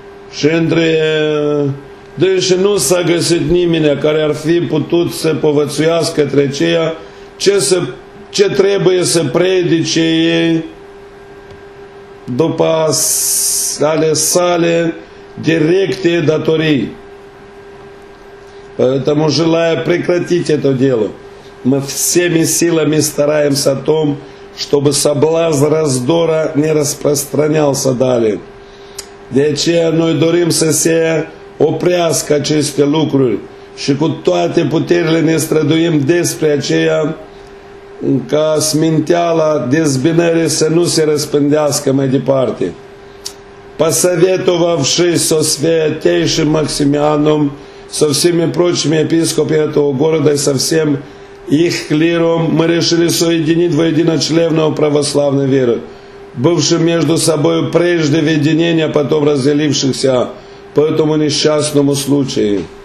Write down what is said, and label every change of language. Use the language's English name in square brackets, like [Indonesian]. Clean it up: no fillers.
[Romanian] Și între deși nu s-a găsit nimeni care ar fi putut să povățuiască către ceea ce trebuie să predice ei după ale sale directe datorii. [Russian] Поэтому, желая прекратить это дело, мы всеми силами стараемся о том, чтобы соблазн раздора не распространялся далее. [Romanian] De aceea noi dorim să se oprească aceste lucruri și cu toate puterile ne străduim despre aceea ca sminteala dezbinării să nu se răspândească mai departe. [Russian] Посоветовавшись со святейшим Максимианом, со всеми прочими епископами этого города и со всем их клиром, мы решили соединить воедино членов православной веры, бывшим между собой прежде в единении, а потом разделившихся по этому несчастному случаю.